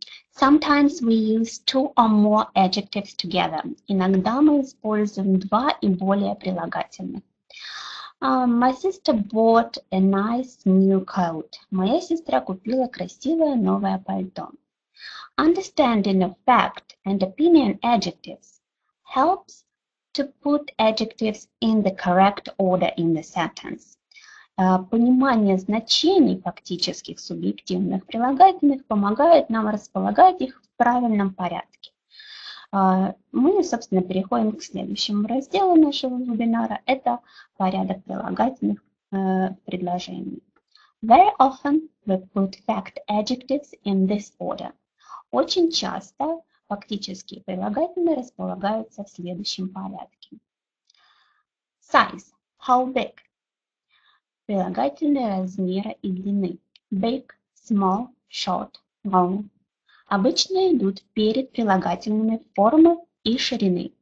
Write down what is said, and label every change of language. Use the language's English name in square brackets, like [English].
[English] Sometimes we use two or more adjectives together. [Russian] Иногда мы используем два и более прилагательных. [English] My sister bought a nice new coat. [Russian] Моя сестра купила красивое новое пальто. [English] Understanding of fact and opinion adjectives helps to put adjectives in the correct order in the sentence. [Russian] Понимание значений фактических субъективных прилагательных помогает нам располагать их в правильном порядке. Мы, собственно, переходим к следующему разделу нашего вебинара. Это порядок прилагательных предложений. [English] Very often we put fact adjectives in this order. [Russian] Очень часто фактические прилагательные располагаются в следующем порядке. [English] Size. How big? [Russian] Прилагательные размера и длины. [English] Big, small, short, long. [Russian] Обычно идут перед прилагательными формы и ширины.